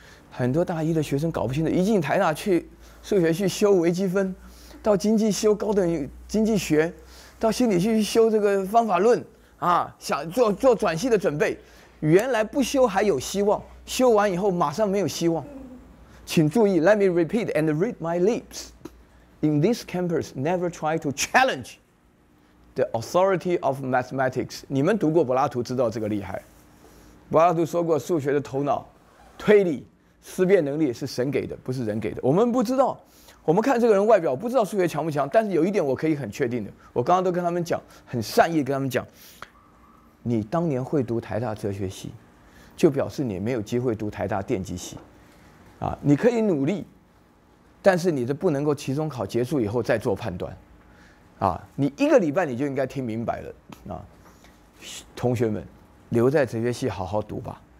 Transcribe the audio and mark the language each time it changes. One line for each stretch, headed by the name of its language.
Chinese: 很多大一的学生搞不清楚，一进台大去数学去修微积分，到经济修高等经济学，到心理去修这个方法论啊，想做转系的准备，原来不修还有希望，修完以后马上没有希望。请注意
English: ，Let me repeat and read my lips. In this campus, never try to challenge the authority of mathematics.
Chinese: 你们读过柏拉图知道这个厉害，柏拉图说过数学的头脑，推理。思辨能力是神给的，不是人给的。我们不知道，我们看这个人外表不知道数学强不强，但是有一点我可以很确定的，我刚刚都跟他们讲，很善意跟他们讲，你当年会读台大哲学系，就表示你没有机会读台大电机系，啊，你可以努力，但是你的不能够期中考结束以后再做判断，啊，你一个礼拜你就应该听明白了，啊，同学们，留在哲学系好好读吧。